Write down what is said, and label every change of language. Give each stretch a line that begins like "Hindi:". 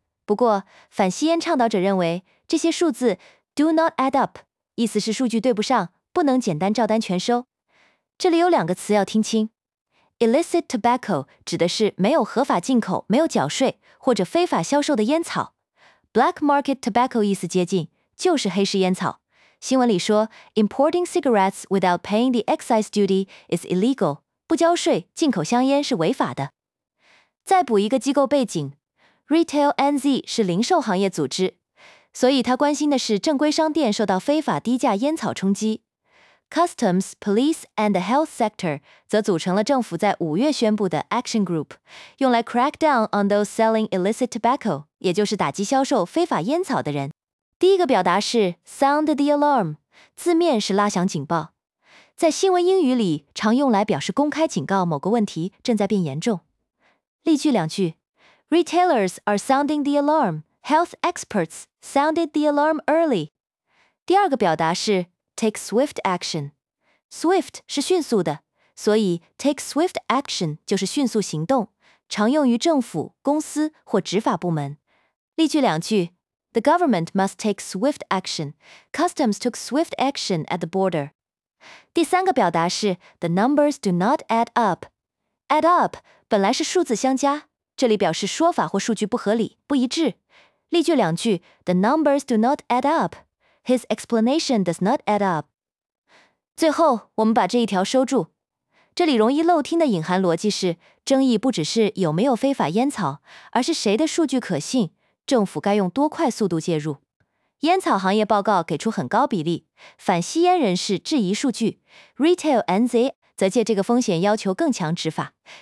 Chinese: 不过反吸烟倡导者认为这些数字
English: do not add up，
Chinese: 意思是数据对不上，不能简单照单全收。这里有两个词要听清， illicit tobacco 指的是没有合法进口、没有缴税或者非法销售的烟草， black market tobacco 意思接近，就是黑市烟草。新闻里说
English: importing cigarettes without paying the excise duty is illegal，
Chinese: 不交税进口香烟是违法的。再补一个机构背景，Retail NZ 是零售行业组织，所以他关心的是正规商店受到非法低价烟草冲击。 Customs, Police and the Health Sector 则组成了政府在五月宣布的 Action Group， 用来
English: crack down on those selling illicit tobacco，
Chinese: 也就是打击销售非法烟草的人。第一个表达是 sound the alarm， 字面是拉响警报，在新闻英语里常用来表示公开警告某个问题正在变严重。例句两句，
English: Retailers are sounding the alarm. Health experts sounded the alarm early.
Chinese: 第二个表达是 take swift action. Swift 是迅速的，所以 take swift action 就是迅速行动，常用于政府、公司或执法部门。例句两句，
English: The government must take swift action. Customs took swift action at the border.
Chinese: 第三个表达是
English: the numbers do not add up.
Chinese: Add up 本来是数字相加，这里表示说法或数据不合理、不一致。例句两句，
English: The numbers do not add up. His explanation does not add up.
Chinese: 最后，我们把这一条收住。这里容易漏听的隐含逻辑是，争议不只是有没有非法烟草，而是谁的数据可信，政府该用多快速度介入。烟草行业报告给出很高比例，反吸烟人士质疑数据， Retail NZ 则借这个风险要求更强执法。